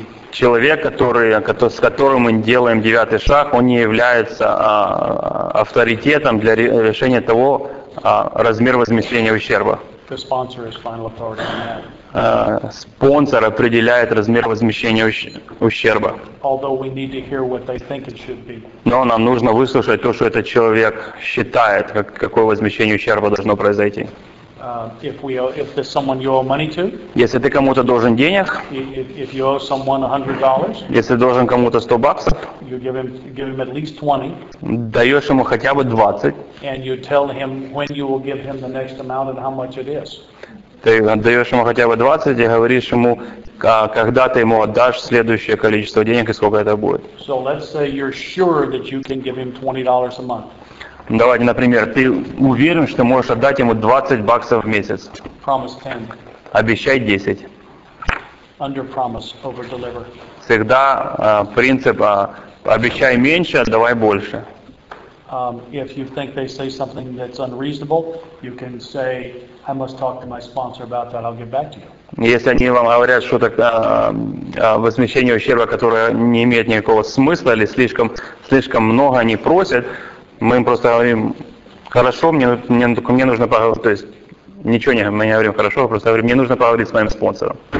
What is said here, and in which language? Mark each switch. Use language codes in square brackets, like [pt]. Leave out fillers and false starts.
[ru] Человек, с которым мы делаем девятый шаг, он не является авторитетом для решения того, размер возмещения ущерба. Спонсор определяет размер возмещения ущерба. [en] Although we need to hear what they think it should be. [ru] Но нам нужно выслушать то, что этот человек считает, какое возмещение ущерба должно произойти. [en] If someone you owe money to, [ru] если ты кому-то должен денег, [en] if you owe someone $100, [ru] если должен кому-то $100, [en] you give him at least 20, [ru] даешь ему хотя бы 20, [en] and you tell him when you will give him the next amount and how much it is. [ru] Ты даешь ему хотя бы 20 и говоришь ему, когда ты ему отдашь следующее количество денег и сколько это будет. [en] So let's say you're sure that you can give him $20 a month. [ru] Давайте, например, ты уверен, что можешь отдать ему $20 в месяц. [en] Promise 10. [ru] Обещай 10. [en] Under promise, over deliver. [ru] Всегда принцип обещай меньше, отдавай больше. [en] If you think they say something that's unreasonable, you can say, I must talk to my sponsor about that, I'll get back to you. [ru] Если они вам говорят, что так возмещение ущерба, которое не имеет никакого смысла или слишком много они просят, мы им просто говорим, хорошо, мне нужно поговорить, то есть ничего не мы не говорим хорошо, просто говорим, мне нужно поговорить с моим спонсором.